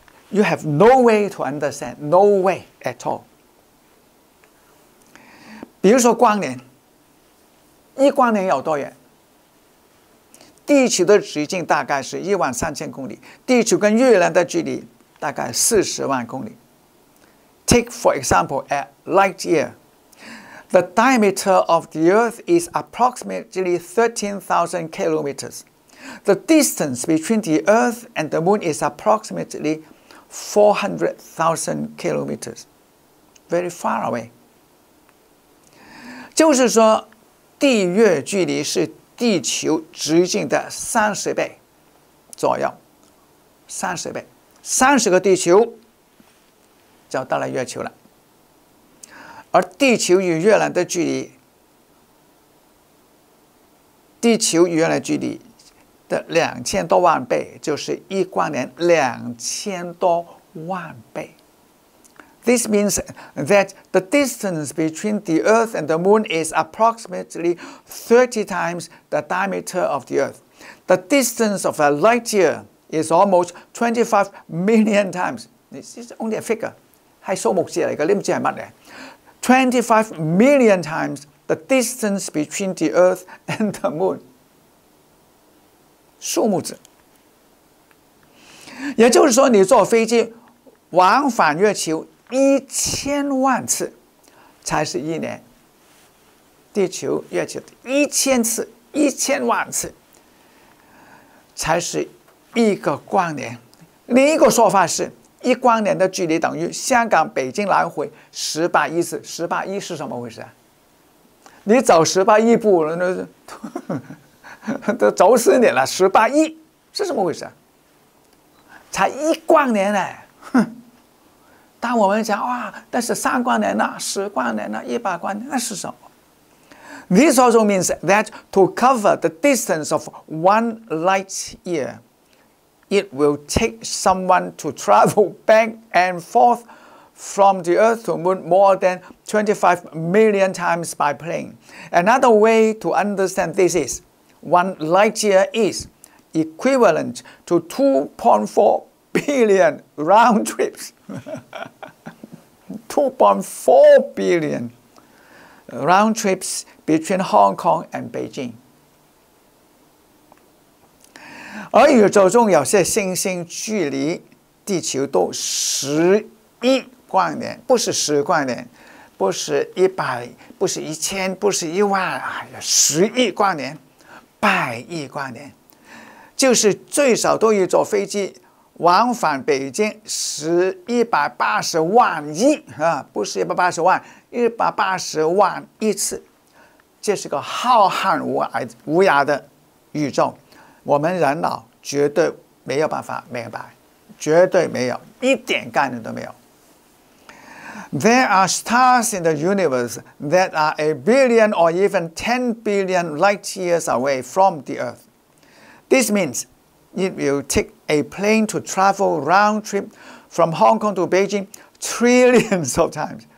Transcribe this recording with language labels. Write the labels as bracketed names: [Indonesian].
[English] You have no way to understand, no way at all. [Chinese] 比如说关联，一关联有多远？地球的直径大概是13000公里，地球跟月亮的距离大概400000公里。 [English] Take for example a light year. The diameter of the Earth is approximately 13,000 kilometers. The distance between the Earth and the Moon is approximately 400,000 kilometers. Very far away. [Chinese] 就是说，地月距离是地球直径的30倍左右，30倍，30个地球。就到了月球了，而地球与月亮的距离，地球与月亮距离的2000多万倍，就是一光年2000多万倍。 [English] This means that the distance between the Earth and the Moon is approximately 30 times the diameter of the Earth. The distance of a light year is almost 25 million times. This is only a figure. [Chinese] 是数目字来的，你不知道是什么。 [English] 25 million times the distance between the Earth and the Moon. [Chinese] 数目字。也就是说你坐飞机往返月球1000万次才是一年。地球月球1000次，1000万次才是一个光年。另一个说法是一光年的距离等于香港北京来回18亿次。 18亿是什么回事？你走18亿步都走死你了。 18亿是什么回事？才一光年呢。当我们讲哇，但是3光年呢，10光年呢，100光年那是什么？ [English] This also means that to cover the distance of one light year,It will take someone to travel back and forth from the Earth to Moon more than 25 million times by plane. Another way to understand this is, one light year is equivalent to 2.4 billion round trips. 2.4 billion round trips between Hong Kong and Beijing. [Chinese] 而宇宙中有些星星距离地球都11光年，不是10光年，不是100，不是1000，不是10000，11光年，100亿光年，就是最少都一座飞机往返北京180万亿、不是180万，180万亿次。这是个浩瀚无涯的宇宙，我们人脑绝对没有办法明白，绝对没有，一点概念都没有。 [English] There are stars in the universe that are a billion or even 10 billion light years away from the Earth. This means it will take a plane to travel round trip from Hong Kong to Beijing trillions of times.